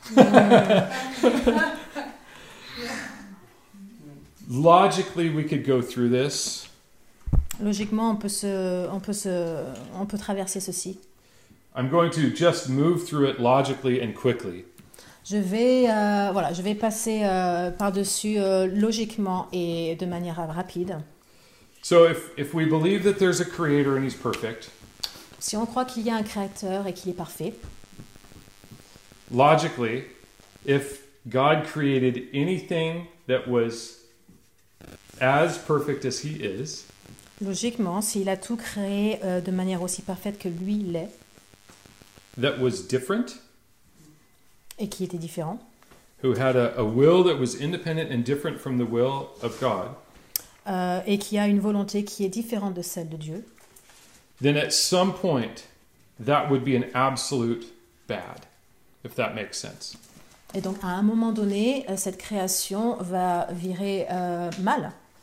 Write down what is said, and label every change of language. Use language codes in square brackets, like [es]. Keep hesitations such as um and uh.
[en] logically, we could go through this. [fr] Logiquement, on peut se, on peut se, on peut traverser ceci. [en] I'm going to just move through it logically and quickly. [fr] Je vais, euh, voilà, je vais passer euh, par dessus euh, logiquement et de manière rapide. [en] So if if we believe that there's a creator and he's perfect. [fr] Si on croit qu'il y a un créateur et qu'il est parfait. [en] logically, if God created anything that was as perfect as he is, [fr] logiquement, s'il a tout créé uh, de manière aussi parfaite que lui l'est, [en] that was different, [fr] et qui était différent, [en] who had a, a, will that was independent and different from the will of God, [fr] uh, et qui a une volonté qui est différente de celle de [en] Dieu, then at some point, that would be an absolute bad. If that makes sense. [fr] Et donc, à un moment donné, cette création va virer mal.